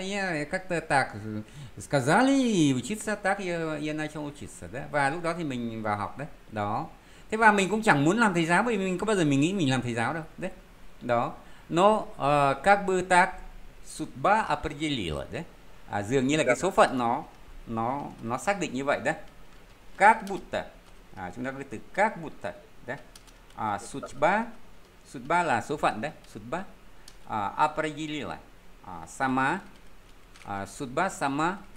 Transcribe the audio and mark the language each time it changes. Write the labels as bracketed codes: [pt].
[ru] Я как-то так сказали, и учиться так я начал учиться, да. [vi] Và lúc đó thì mình vào học, да. Đó. Thế và mình cũng chẳng muốn làm thầy giáo, bởi mình có bao giờ mình nghĩ mình làm thầy giáo đâu, да. Đó. [ru] Но как бы так судьба определила, да. [vi] А dường như là cái số phận nó xác định như vậy, да. [ru] Как будто. [vi] А, chúng ta có cái từ [ru] как будто, [vi] да. А, судьба... Судьба là số phận đấy, судьба. [ru] Определила. Сама. Судьба сама.